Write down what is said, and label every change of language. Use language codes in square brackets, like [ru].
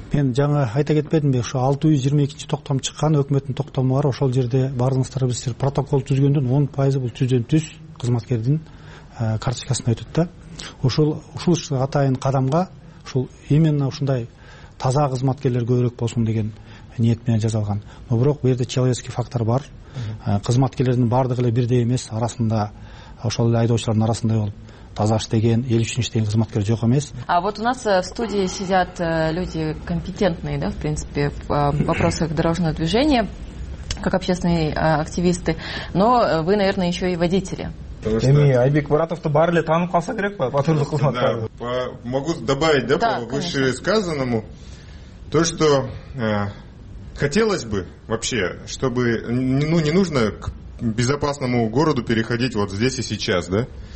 [ky] Мен жаңы айта кетпедимби, ошо 622 токтом чыккан, өкмөттүн токтому бар. Ошол жерде баардыгыңыздар билесиздер, протокол түзгөндөн 10% бул түздөн түз кызматкердин карточкасына өтөт да. Ушул атайын кадамга ушул именно ушундай таза кызматкерлер көбүрөөк болсун деген ниет менен жасалган. Но бирок бул жерде [ru] человеческий фактор [ky] бар. Кызматкерлердин баардыгы эле бирдей эмес, арасында ошол эле айдоочулардын арасында болуп таза иштеген, эл үчүн иштеген кызматкер жок эмес. [ru] А вот у нас в студии сидят люди компетентные, да, в принципе, в вопросах дорожного движения, как общественные активисты. Но вы, наверное, еще и водители. [ky] Эми Айбек Муратов-то баары эле таанып калса керек по патрульдук кызматкерлерге. [ru] Да, могу добавить, да, по вышесказанному, то, что хотелось бы вообще, чтобы, ну, не нужно к безопасному городу переходить вот здесь и сейчас, да?